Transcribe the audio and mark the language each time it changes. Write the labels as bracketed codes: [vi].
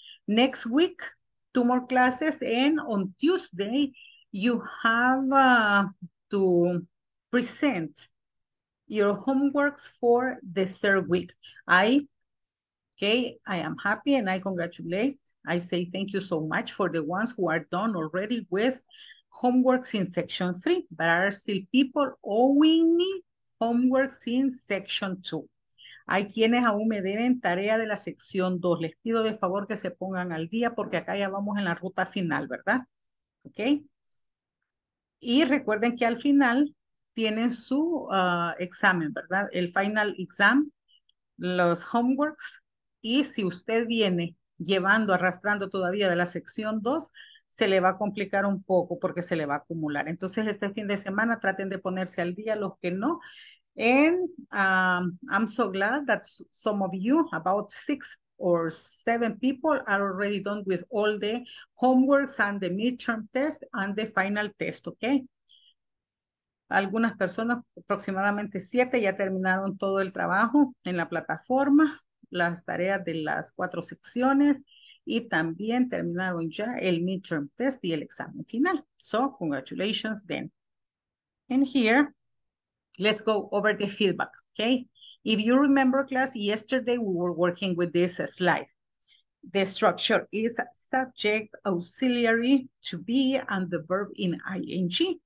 [en] Next week, 2 more classes, and on Tuesday, you have to present your homeworks for the 3rd week. I am happy and I congratulate. I say thank you so much for the ones who are done already with homeworks in section 3, but are still people owing me homeworks in section 2. [es] Hay quienes aún me deben tarea de la sección 2. Les pido de favor que se pongan al día porque acá ya vamos en la ruta final, ¿verdad? Ok. Y recuerden que al final tienen su examen, ¿verdad? El final exam, los homeworks. Y si usted viene llevando, arrastrando todavía de la sección 2, se le va a complicar un poco porque se le va a acumular. Entonces, este fin de semana traten de ponerse al día los que no. [en] And I'm so glad that some of you, about 6 or 7 people, are already done with all the homeworks and the midterm test and the final test, okay? [es] Algunas personas, aproximadamente 7, ya terminaron todo el trabajo en la plataforma, las tareas de las 4 secciones, y también terminaron ya el midterm test y el examen final. [en] So, congratulations then. And here, let's go over the feedback, okay? If you remember class, yesterday we were working with this slide. The structure is subject, auxiliary, to be, and the verb in ing.